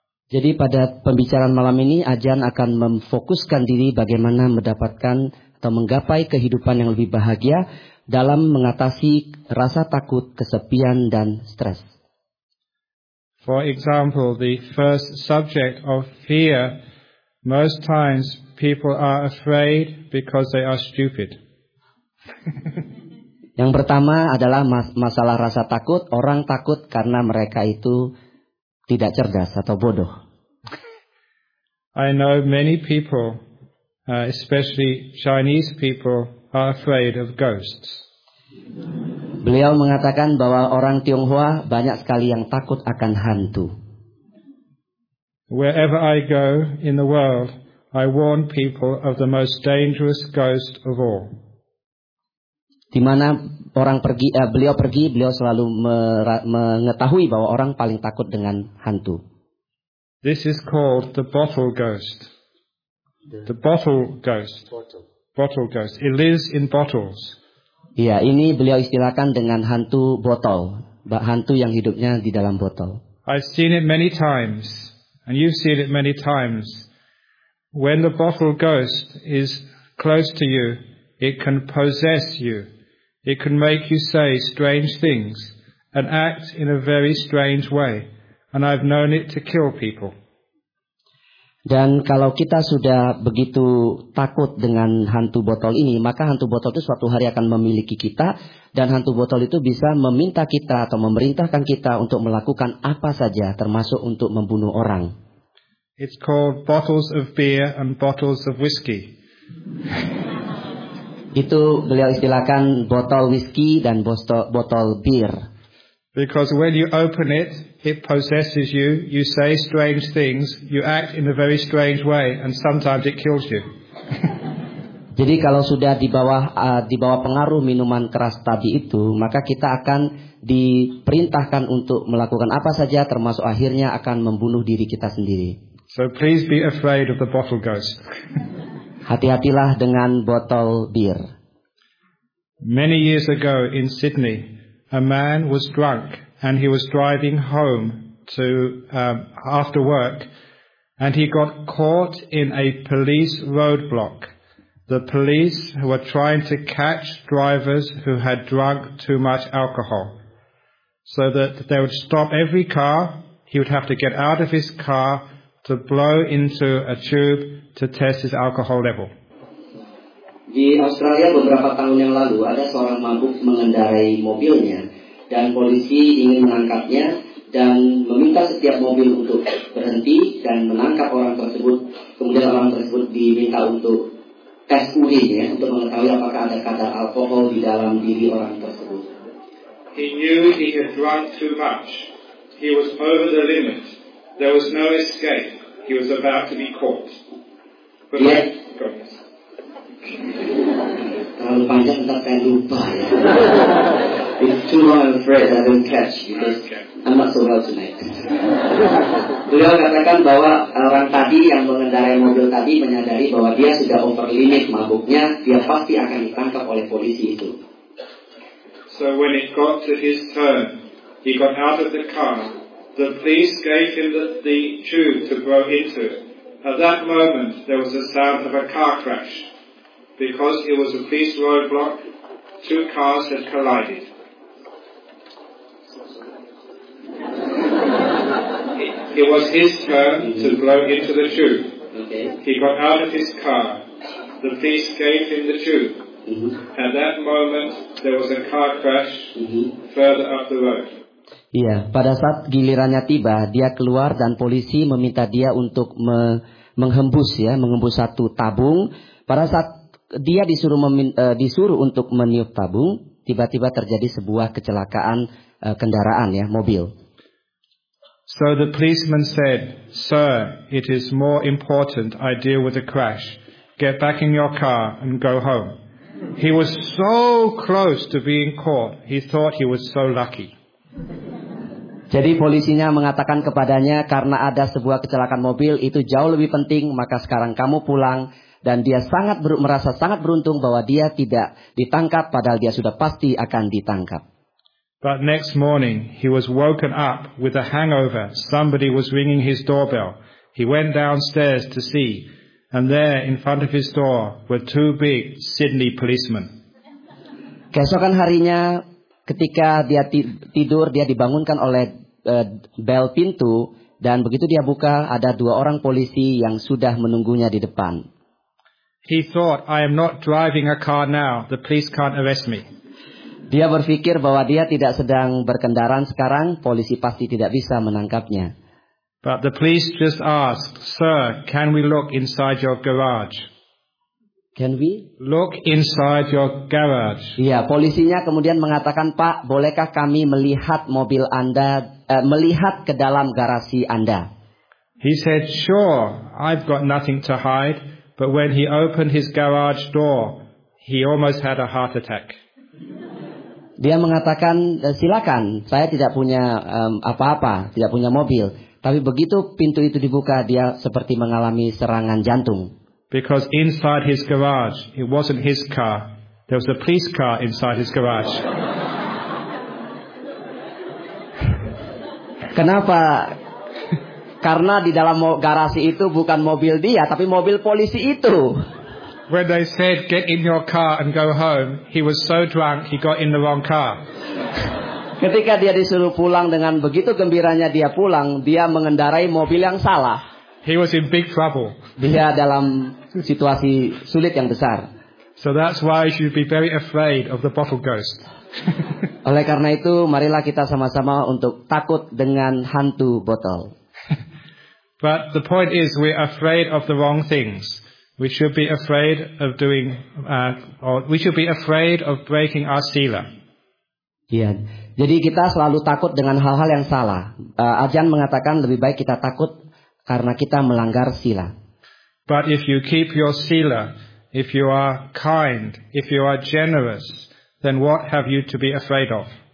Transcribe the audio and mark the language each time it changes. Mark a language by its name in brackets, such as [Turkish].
[Indonesian] Jadi pada pembicaraan malam ini Ajahn akan memfokuskan diri bagaimana mendapatkan atau menggapai kehidupan yang lebih bahagia dalam mengatasi rasa takut, kesepian dan stres. [English] For example, the first subject of fear, most times people are afraid because they are stupid. [Indonesian] Yang pertama adalah masalah rasa takut, orang takut karena mereka itu tidak cerdas atau bodoh. [English] I know many people, especially Chinese people, are afraid of ghosts. [Indonesian] Beliau mengatakan bahwa orang Tionghoa banyak sekali yang takut akan hantu. [English] Wherever I go in the world, I warn people of the most dangerous ghost of all. [Indonesian] Dimana orang pergi, beliau pergi, beliau selalu mengetahui bahwa orang paling takut dengan hantu. [English] This is called the bottle ghost. The bottle ghost. Bottle ghost. It lives in bottles. [Indonesian] Ya, ini beliau istilahkan dengan hantu botol, hantu yang hidupnya di dalam botol. [English] I've seen it many times, and you've seen it many times. When the bottle ghost is close to you, It can possess you. It can make you say strange things and act in a very strange way. And I've known it to kill people. [Indonesian] Dan kalau kita sudah begitu takut dengan hantu botol ini, maka hantu botol itu suatu hari akan memiliki kita, dan hantu botol itu bisa meminta kita atau memerintahkan kita untuk melakukan apa saja, termasuk untuk membunuh orang. [English] It's called bottles of beer and bottles of whiskey. [Indonesian] Itu beliau istilahkan botol whiskey dan botol bir. [English] Because when you open it, it possesses you, you say strange things, you act in a very strange way, and sometimes it kills you. [Indonesian] Jadi kalau sudah di bawah pengaruh minuman keras tadi itu, maka kita akan diperintahkan untuk melakukan apa saja, termasuk akhirnya akan membunuh diri kita sendiri. [English] So please be afraid of the bottle ghost. [Indonesian] Hati-hatilah dengan botol bir. [English] Many years ago in Sydney, a man was drunk and he was driving home to after work, and he got caught in a police roadblock. The police were trying to catch drivers who had drunk too much alcohol, so that they would stop every car. He would have to get out of his car to blow into a tube to test his alcohol level. [Indonesian] Di Australia beberapa tahun yang lalu, ada seorang mabuk mengendarai mobilnya, dan polisi ingin menangkapnya dan meminta setiap mobil untuk berhenti dan menangkap orang tersebut. Kemudian orang tersebut diminta untuk tes urin, ya, untuk mengetahui apakah ada kadar alkohol di dalam diri orang tersebut. [English] He knew he had drunk too much. He was over the limit. There was no escape. He was about to be caught. But yes. [Indonesian] Terlalu panjang, tetap saya lupa, ya. [English] It's too long, I'm afraid I don't catch you. Okay. I'm not so well tonight. [Indonesian] Beliau katakan bahwa orang tadi yang mengendarai mobil tadi menyadari bahwa dia sudah [English] over limit [Indonesian] mabuknya, dia pasti akan ditangkap oleh polisi itu. [English] So when it got to his turn, he got out of the car. The police gave him the tube to blow into. At that moment, there was a sound of a car crash. Because it was a police roadblock, two cars had collided. It was his turn to blow into the tube. Okay. He got out of his car. The police gave him the tube. Mm-hmm. At that moment, there was a car crash further up the road. [Indonesian] Iya, pada saat gilirannya tiba, dia keluar dan polisi meminta dia untuk menghembus satu tabung. Pada saat dia disuruh untuk meniup tabung, tiba-tiba terjadi sebuah kecelakaan kendaraan, ya, mobil. [English] So the policeman said, "Sir, it is more important I deal with the crash. Get back in your car and go home." He was so close to being caught. He thought he was so lucky. [Indonesian] Jadi polisinya mengatakan kepadanya, karena ada sebuah kecelakaan mobil, itu jauh lebih penting, maka sekarang kamu pulang. Dan dia sangat merasa sangat beruntung bahwa dia tidak ditangkap, padahal dia sudah pasti akan ditangkap. [English] But next morning, he was woken up with a hangover. Somebody was ringing his doorbell. He went downstairs to see, and there in front of his door were two big Sydney policemen. [Indonesian] Keesokan harinya, ketika dia tidur, dia dibangunkan oleh bel pintu, dan begitu dia buka, ada dua orang polisi yang sudah menunggunya di depan. [English] He thought, "I am not driving a car now. The police can't arrest me." [Indonesian] Dia berpikir bahwa dia tidak sedang berkendaraan sekarang, polisi pasti tidak bisa menangkapnya. [English] But the police just asked, "Sir, can we look inside your garage?" Can we look inside your garage? [Indonesian] Iya, polisinya kemudian mengatakan, "Pak, bolehkah kami melihat mobil Anda, melihat ke dalam garasi Anda?" [English] He said, "Sure, I've got nothing to hide." But when he opened his garage door, he almost had a heart attack. [Indonesian] Dia mengatakan, "Silakan, saya tidak punya apa-apa, tidak punya mobil." Tapi begitu pintu itu dibuka, dia seperti mengalami serangan jantung. [English] Because inside his garage, it wasn't his car. There was a police car inside his garage. [Indonesian] Kenapa? Karena di dalam garasi itu bukan mobil dia, tapi mobil polisi itu. [English] when they said, "Get in your car and go home," he was so drunk he got in the wrong car. [Indonesian] Ketika dia disuruh pulang dengan begitu gembiranya dia pulang, dia mengendarai mobil yang salah. [English] He was in big trouble. [Indonesian] Dia dalam situasi sulit yang besar. [English] So that's why you should be very afraid of the bottle ghost. [Indonesian] Oleh karena itu, marilah kita sama-sama untuk takut dengan hantu botol. [English] But the point is, we're afraid of the wrong things. We should be afraid of doing, or we should be afraid of breaking our stila. [Indonesian] Iya. Jadi kita selalu takut dengan hal-hal yang salah. Ajahn mengatakan lebih baik kita takut karena kita melanggar sila. [English] But if you keep your sila, if you are kind, if you are generous, then what have you to be afraid of?